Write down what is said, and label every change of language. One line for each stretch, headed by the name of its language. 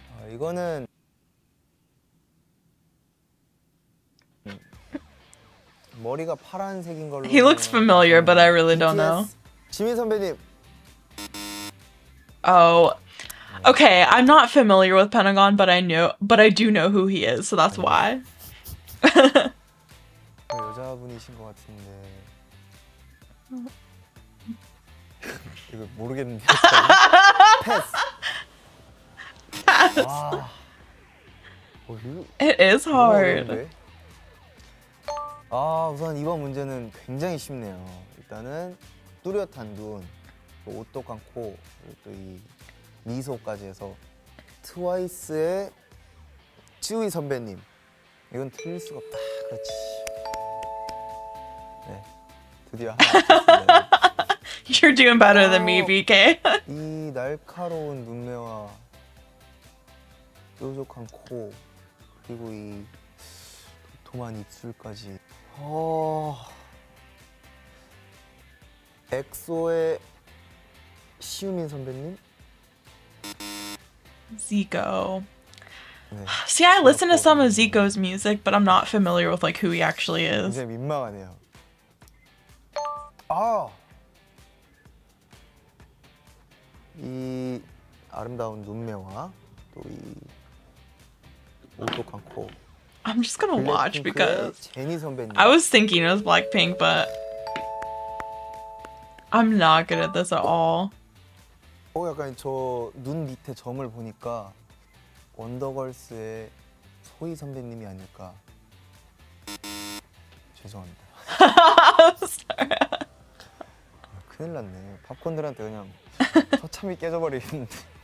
Korean: 이거는 머리가 파란색인 걸로.
English: He looks familiar, but I really don't know.
Korean: 지민 선배님. Oh.
English: Okay, I'm not familiar with Pentagon, but I do know who he is, so that's why.
Korean: 여자분이신 것 같은데. 이거 모르겠는데. Pass.
English: Pass. It is hard.
Korean: 아, 우선 이번 문제는 굉장히 쉽네요. 일단은 뚜렷한 눈, 또 옷도 감고 또 이 미소까지 해서 트와이스의 지우이 선배님. 이건 틀릴 수가 없다. 그렇지. 네, 드디어 하나 맞췄습니다.
English: You're doing better than me, BK.
Korean: 이 날카로운 눈매와 뾰족한 코, 그리고 이 도톰한 입술까지. 엑소의 시우민 선배님? Zico. 네.
English: See, I listen to some of Zico's music, but I'm not familiar with like who he actually is.
Korean: 이제 민망하네요. 이 아름다운 눈매와 또 이 오똑한 코.
English: I'm just gonna watch because I was thinking it was Blackpink, but I'm not good at this at all.
Korean: 약간 저 눈 밑에 점을 보니까 원더걸스의 소희 선배님이 아닐까. 죄송합니다.
English: Sorry.
Korean: 큰일 났네. 팝콘들한테 그냥 처참히 깨져버리겠는데.